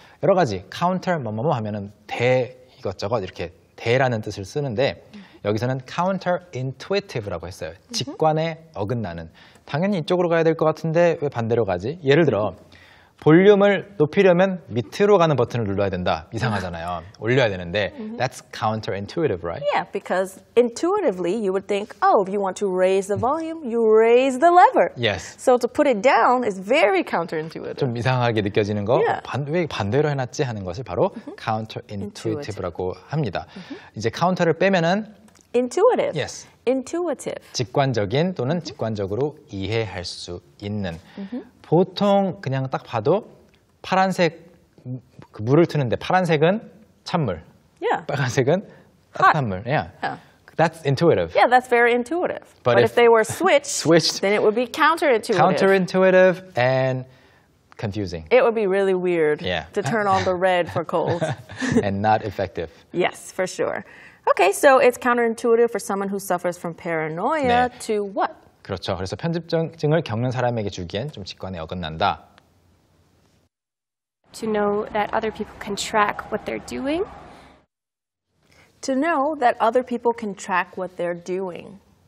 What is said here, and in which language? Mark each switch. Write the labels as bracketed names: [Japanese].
[Korean] 여러 가지 counter 뭐뭐뭐 하면은 대 이것저것 이렇게 대라는 뜻을 쓰는데 여기서는 counterintuitive라고 했어요. 직관에 어긋나는. 당연히 이쪽으로 가야 될 것 같은데 왜 반대로 가지? 예를 들어 볼륨을 높이려면 밑으로 가는 버튼을 눌러야 된다. 이상하잖아요. 올려야 되는데 [English] That's counterintuitive, right? Yeah, because intuitively you would think, oh, if you want to raise the volume, you raise the lever. Yes. So to put it down is very counterintuitive. [Korean] 좀 이상하게 느껴지는 거, yeah. 왜 반대로 해놨지 하는 것을 바로 counterintuitive라고 합니다. 이제 counter를 빼면은 [English] intuitive. Yes. intuitive. [Korean] 직관적인 또는 직관적으로 이해할 수 있는. 보통 그냥 딱 봐도 파란색 그 물을 트는데 파란색은 찬물. [English] Yeah. [Korean] 빨간색은 따뜻한 물. Yeah. [English] Yeah. That's intuitive. Yeah, that's very intuitive. But if they were switched, then it would be counterintuitive. Counterintuitive and confusing. It would be really weird to turn on the red for cold. and not effective. Yes, for sure. Okay, so it's counterintuitive for someone who suffers from paranoia 네. to what? [Korean] 그렇죠. 그래서 편집증을 겪는 사람에게 주기엔 좀 직관에 어긋난다. [English] To know that other people can track what they're doing. To know that other people can track what they're doing.